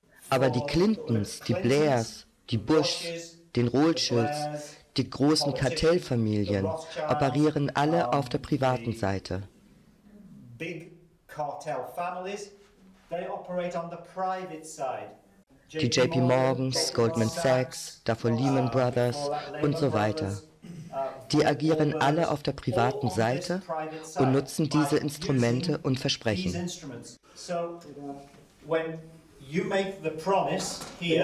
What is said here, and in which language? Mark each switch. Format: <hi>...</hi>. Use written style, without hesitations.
<de>Aber die Clintons, die Blairs, die Bushs, den Rothschilds, die großen Kartellfamilien operieren alle auf der privaten Seite.</de> <en>Cartel families, they operate on the private side.</en> <de>Die JP Morgans, Goldman Sachs, davor Lehman Brothers und so weiter. Die agieren alle auf der privaten Seite und nutzen diese Instrumente und Versprechen.</de> <en>So, when you make the promise here,</en>